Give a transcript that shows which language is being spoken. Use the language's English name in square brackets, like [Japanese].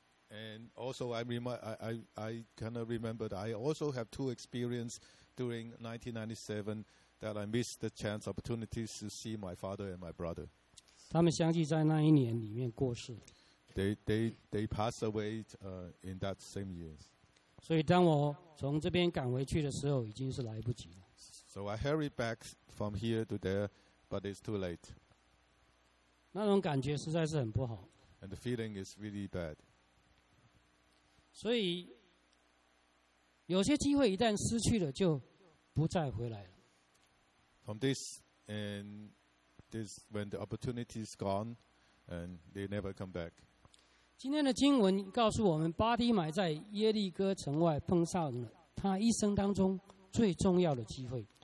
[English] And also I kind of remember that I also have two experiences during 1997 that I missed the chance opportunities to see my father and my brother. [Chinese] 他们相继在那一年里面过世。 [English] They passed away in that same year. [Chinese] 所以当我从这边赶回去的时候已经是来不及了。 [English] So I hurried back from here to there, but it's too late. [Chinese] 那种感觉实在是很不好。 [English] And the feeling is really bad. [Chinese] 所以有些机会一旦失去了就不再回来了。 [English] From this and this, when the opportunity is gone and they never come back. [Chinese] 今天的经文告诉我们，巴提买在耶利哥城外碰上了他一生当中最重要的机会。